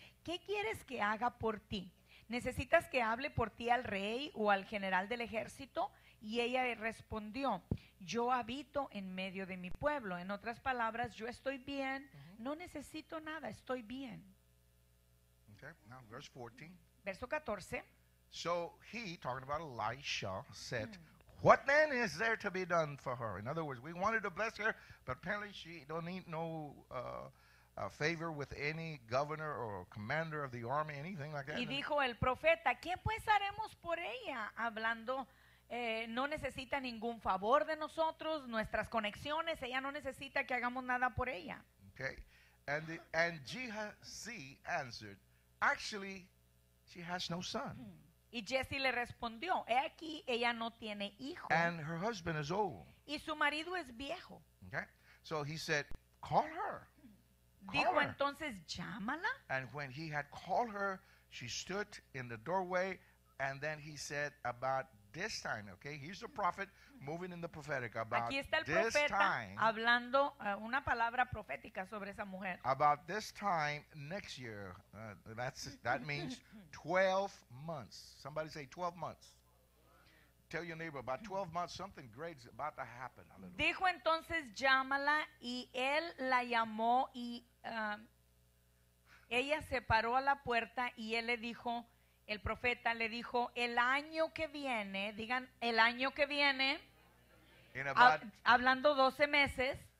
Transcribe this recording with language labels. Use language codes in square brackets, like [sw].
[es] ¿Qué quieres que haga por ti? ¿Necesitas que hable por ti al rey o al general del ejército? Y ella respondió, yo habito en medio de mi pueblo. En otras palabras, yo estoy bien, no necesito nada, estoy bien. [en] Okay, now verse 14. [es] Verso 14. [en] So he, talking about Elisha, said, what then is there to be done for her? In other words, we wanted to bless her, but apparently she don't need no favor with any governor or commander of the army, anything like that. [es] Y dijo el profeta, ¿qué pues haremos por ella? Hablando, no necesita ningún favor de nosotros, nuestras conexiones, ella no necesita que hagamos nada por ella. [en] Okay. And Gehazi answered, actually, she has no son. [es] Y Jesse le respondió, he aquí, ella no tiene hijo. [en] And her husband is old. [es] Y su marido es viejo. [en] Okay. So he said, call her. [es] Dijo entonces, llámala. [en] And when he had called her, she stood in the doorway, and then he said about this time, okay? Here's the prophet moving in the prophetic about [es] aquí está el [en] this [es] profeta [en] time. [es] Hablando una palabra profética sobre esa mujer. [en] About this time next year, that means 12 months. Somebody say 12 months. Tell your neighbor, about 12 months, something great is about to happen. [es] Dijo entonces, llámala, y él la llamó, y ella se paró a la puerta, y él le dijo, el profeta le dijo, el año que viene, digan, el año que viene, hablando 12 meses.